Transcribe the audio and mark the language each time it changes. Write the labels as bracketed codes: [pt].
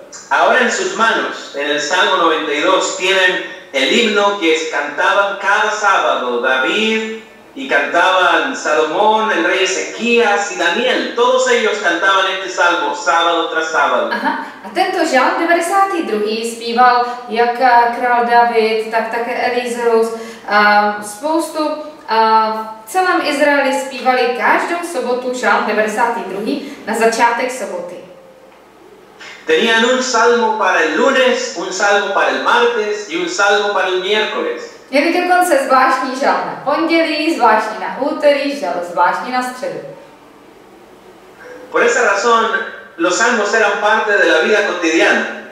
[es] Ahora en sus manos, en el Salmo 92, tienen el himno que cantaban cada sábado David y cantaban Salomón, el rey Ezequías y Daniel. Todos ellos cantaban este salmo sábado tras sábado. [cs] Ajá. A tento žalm 92. zpíval jak král David, tak také Elizeus. Spoustu v celém Izraeli zpívali každou sobotu žalm 92. na začátek soboty. [es] Tenían un salmo para el lunes, un salmo para el martes y un salmo para el miércoles. [cs] Měli dokonce zvláštní žal na pondělí, zvláštní na úterý, žal zvláštní na středu. [es] Por esa razón, los salmos eran parte de la vida cotidiana.